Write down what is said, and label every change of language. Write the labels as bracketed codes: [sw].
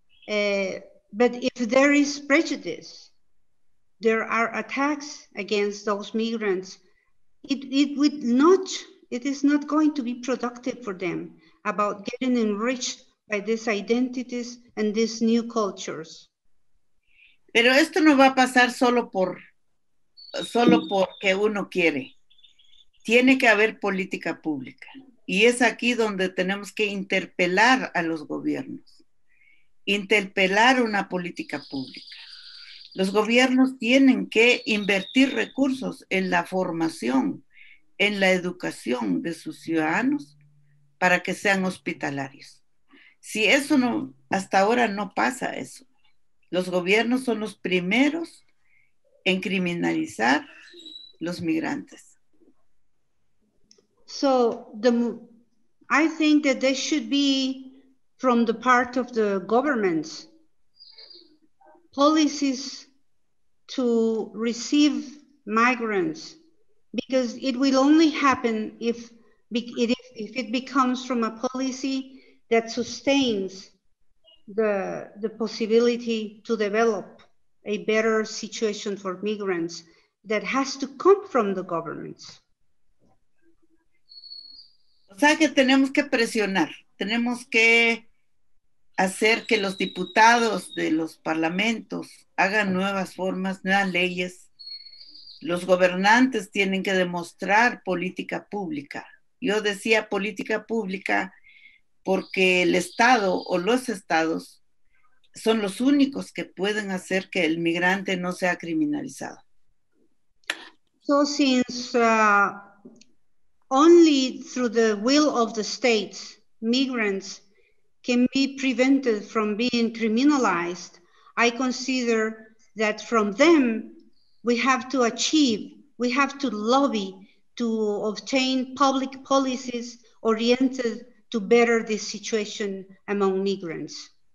[en] But if there is prejudice, there are attacks against those migrants, it is not going to be productive for them about getting enriched by these identities and these new cultures. [es] Pero esto no va a pasar solo porque uno quiere. Tiene que haber política pública. Y es aquí donde tenemos que interpelar a los gobiernos. Interpelar una política pública. Los gobiernos tienen que invertir recursos en la formación, en la educación de sus ciudadanos para que sean hospitalarios. Si eso no, hasta ahora no pasa eso. Los gobiernos son los primeros en criminalizar los migrantes. [en] So I think that they should be from the part of the government policies to receive migrants, because it will only happen if it becomes from a policy that sustains the possibility to develop a better situation for migrants that has to come from the governments. [es] O sea que tenemos que presionar, tenemos que hacer que los diputados de los parlamentos hagan nuevas formas, nuevas leyes. Los gobernantes tienen que demostrar política pública. Yo decía política pública porque el Estado o los estados son los únicos que pueden hacer que el migrante no sea criminalizado. [en] So since only through the will of the states, migrants can be prevented from being criminalized, I consider that from them we have to achieve, we have to lobby to obtain public policies oriented to better this situation among migrants.